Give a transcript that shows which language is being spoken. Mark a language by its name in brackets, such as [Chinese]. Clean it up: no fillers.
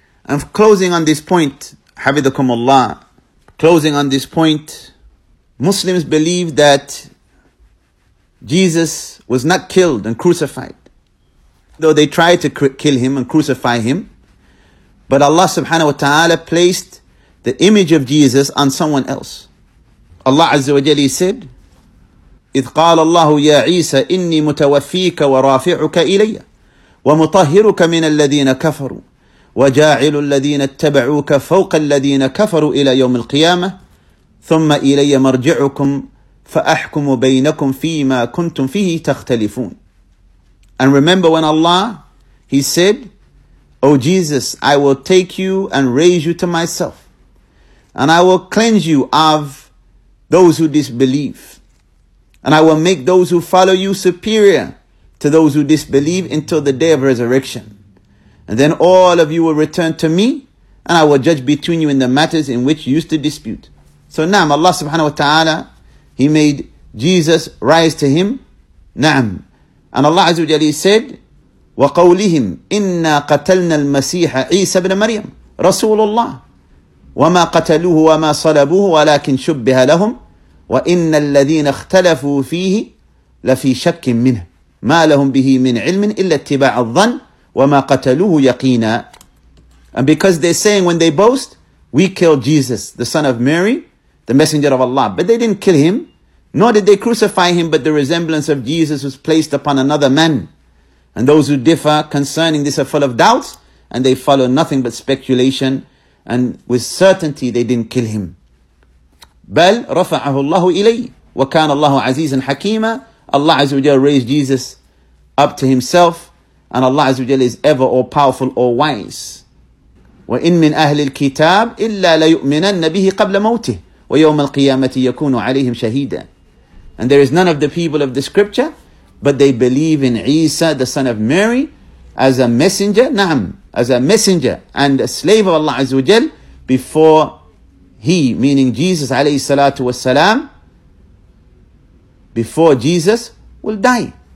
[English] And closing on this point, [Arabic] حفظكم الله. [English] Closing on this point, Muslims believe that Jesus was not killed and crucified. Though they tried to kill him and crucify him, but Allah subhanahu wa ta'ala placed the image of Jesus on someone else. [Arabic] Allah Azza wa Jalla said, إِذْ قَالَ اللَّهُ يَا عِيسَى إِنِّي مُتَوَفِّيكَ وَرَافِعُكَ إِلَيَّ وَمُطَهِّرُكَ مِنَ الَّذِينَ كَفَرُوا وجاعل الذين اتبعوك فوق الذين كفروا إلى يوم القيامة ثم إلي مرجعكم فأحكم بينكم فيما كنتم فيه تختلفون. [English] And remember when Allah, he said, O Jesus, I will take you and raise you to myself, and I will cleanse you of those who disbelieve, and I will make those who follow you superior to those who disbelieve until the day of resurrection. And then all of you will return to me, and I will judge between you in the matters in which you used to dispute. So naam, Allah subhanahu wa ta'ala, he made Jesus rise to him. Naam. [Arabic] And Allah azza wa jalla said, وَقَوْلِهِمْ إِنَّا قَتَلْنَا الْمَسِيحَ عِيسَى بْنَ مَرْيَمْ رَسُولُ اللَّهِ وَمَا قَتَلُوهُ وَمَا صَلَبُوهُ وَلَكِنْ شُبِّهَ لَهُمْ وَإِنَّ الَّذِينَ اخْتَلَفُوا فِيهِ لَفِي شَكٍّ مِّنْهُ مَا لَهُمْ بِهِ مِنْ عِلْمٍ إِلَّا اتِّبَاعَ الظَّنِّ وَمَا قَتَلُوهُ يَقِينًا. [English] And because they're saying when they boast, we killed Jesus, the son of Mary, the messenger of Allah. But they didn't kill him, nor did they crucify him, but the resemblance of Jesus was placed upon another man. And those who differ concerning this are full of doubts, and they follow nothing but speculation, and with certainty they didn't kill him. [Arabic] بَلْ رَفَعَهُ اللَّهُ إِلَيْهِ وَكَانَ اللَّهُ عَزِيزًا حَكِيمًا. [English] Allah Azza wa Jalla raised Jesus up to himself, and Allah Azza wa Jalla is ever all powerful, all wise. [Arabic] وَإِنْ مِنْ أَهْلِ الْكِتَابِ إِلَّا لَيُؤْمِنَنَّ بِهِ قَبْلَ مَوْتِهِ وَيَوْمَ الْقِيَامَةِ يَكُونُ عَلَيْهِمْ شَهِيدًا. [English] And there is none of the people of the scripture but they believe in Isa, the son of Mary, as a messenger, na'am, as a messenger and a slave of Allah Azza wa Jal, before he, meaning Jesus alayhi salatu wa salam, before Jesus will die.